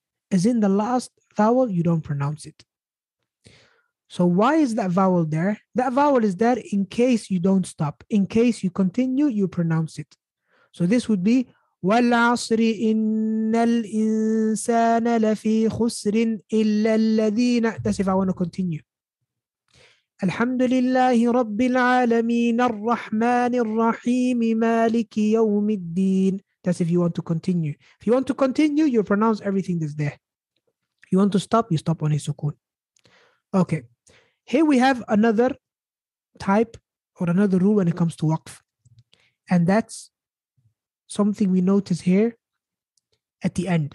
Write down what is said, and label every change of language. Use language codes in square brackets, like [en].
[en] As in the last vowel, you don't pronounce it. So why is that vowel there? That vowel is there in case you don't stop. In case you continue, you pronounce it. So this would be [ar] wal asri innal insana lafi khusrin illa alladhina. [en] That's if I want to continue. [ar] الحمد لله رب العالمين الرحمن الرحيم مالك يوم الدين. [en] That's if you want to continue. If you want to continue, you pronounce everything that's there. You want to stop, you stop on his sukun. Okay. Here we have another type or another rule when it comes to waqf. And that's something we notice here at the end.